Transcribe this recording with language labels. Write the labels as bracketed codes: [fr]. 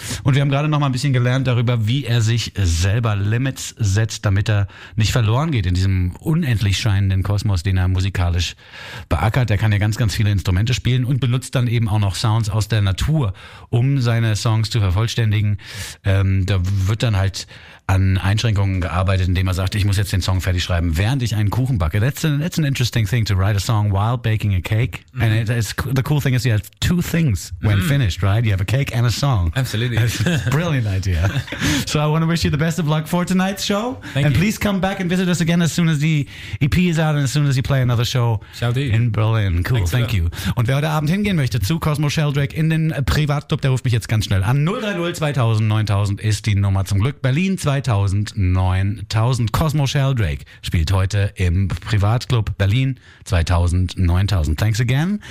[de] Und wir haben gerade noch mal ein bisschen gelernt darüber, wie er sich selber Limits setzt, damit er nicht verloren geht in diesem unendlich scheinenden Kosmos, den er musikalisch beackert. Er kann ja ganz, ganz viele Instrumente spielen und benutzt dann eben auch noch Sounds aus der Natur, um seine Songs zu vervollständigen. Da wird dann halt an Einschränkungen gearbeitet, indem er sagt, ich muss jetzt den Song fertig schreiben, während ich einen Kuchen backe. [en] That's an interesting thing to write a song while baking a cake. Mm. And the cool thing is you have two things when finished, right? You have a cake and a song. Absolutely. That's a brilliant idea. So I want to wish you the best of luck for tonight's show. Thank you. Please come back and visit us again as soon as the EP is out and as soon as you play another show. Shall do. In Berlin. Cool. Thank you. [de] Und wer heute Abend hingehen möchte zu Cosmo Sheldrake in den Privatclub, der ruft mich jetzt ganz schnell an. 030-2000-9000 ist die Nummer zum Glück. Berlin 2000-9000. Cosmo Sheldrake spielt heute im Privatclub Berlin 2000-9000. [en] Thanks again.